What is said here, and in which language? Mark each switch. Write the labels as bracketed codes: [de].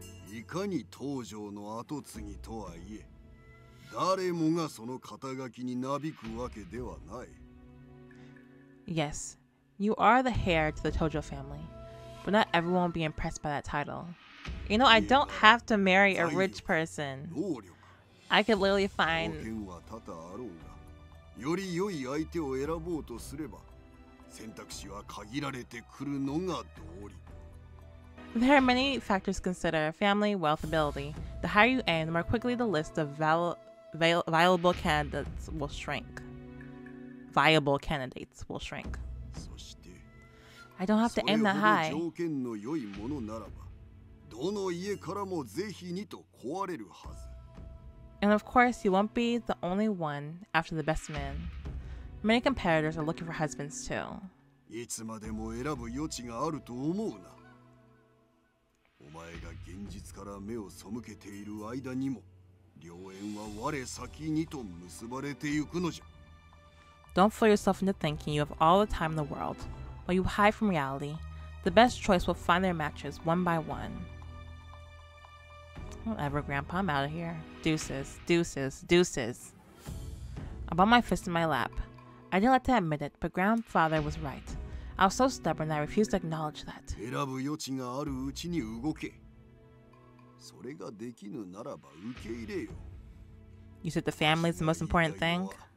[ja] いかに東条の後継ぎとはいえ、誰もがその肩書きになびくわけではない。 [en] Yes, you are the heir to the Tojo family, but not everyone will be impressed by that title. You know, I don't have to marry a rich person. I could literally find... [ja] 条件は多々あろうが、より良い相手を選ぼうとすれば、選択肢は限られてくるのが道理。 [en] There are many factors to consider: family, wealth, ability. The higher you aim, the more quickly the list of viable candidates will shrink. Viable candidates will shrink. [ja] そして、 [en] I don't have to aim that high. [ja] それほど条件の良いものならば、どの家からも是非にと壊れるはず。 [en] And of course, you won't be the only one after the best man. Many competitors are looking for husbands too. [ja] いつまでも選ぶ余地があると思うな。お前が現実から目を背けている間にも、良縁は我先にと結ばれてゆくのじゃ。 [en] Don't fool yourself into thinking you have all the time in the world. While you hide from reality, the best choice will find their matches one by one. Whatever, Grandpa, I'm out of here. Deuces, deuces, deuces. I bumped my fist in my lap. I didn't like to admit it, but Grandfather was right. I was so stubborn that I refused to acknowledge that. [ja] 選ぶ余地があるうちに動け。それができぬならば受け入れよ。 [en] You said the family is the most important thing?